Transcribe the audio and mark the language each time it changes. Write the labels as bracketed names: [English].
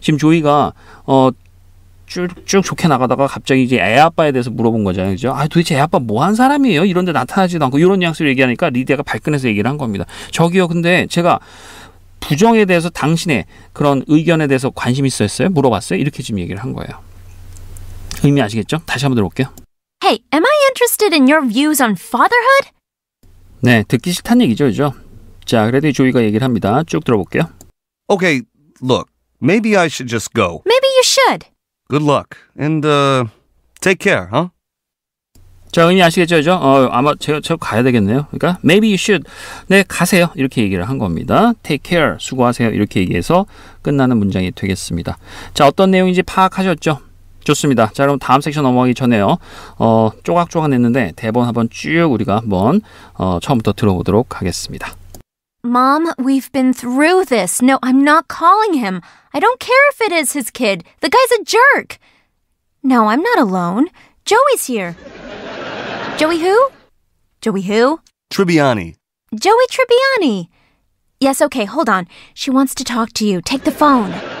[Korean] 지금 조이가 쭉쭉 좋게 나가다가 갑자기 이제 애 아빠에 대해서 물어본 거잖아요. 그렇죠? 아, 도대체 애 아빠 뭐 한 사람이에요? 이런데 나타나지도 않고 이런 뉘앙스를 얘기하니까 리디아가 발끈해서 얘기를 한 겁니다. 저기요, 근데 제가 부정에 대해서 당신의 그런 의견에 대해서 관심 있어 했어요? 물어봤어요? 이렇게 지금 얘기를 한 거예요. 의미 아시겠죠? 다시 한번 들어볼게요. [English] Hey, am I interested in your views on fatherhood? [Korean] 네, 듣기 싫다는 얘기죠, 그죠? 자, 그래도 조이가 얘기를 합니다. 쭉 들어볼게요. [English] Okay, look, maybe I should just go. Maybe you should. Good luck, and take care, huh? [Korean] 자, 의미 아시겠죠, 그죠? 아마 제가 가야 되겠네요. 그러니까 [English] maybe you should. [Korean] 네, 가세요. 이렇게 얘기를 한 겁니다. [English] Take care. [Korean] 수고하세요. 이렇게 얘기해서 끝나는 문장이 되겠습니다. 자, 어떤 내용인지 파악하셨죠? 좋습니다. 자, 그럼 다음 섹션 넘어가기 전에요. 조각조각 냈는데 대본 한번 쭉 우리가 한번 처음부터 들어보도록 하겠습니다. [English] Mom, we've been through this. No, I'm not calling him. I don't care if it is his kid. The guy's a jerk. No, I'm not alone. Joey's here. Joey who? Joey who? Tribbiani. Joey Tribbiani. Yes, okay, hold on. She wants to talk to you. Take the phone.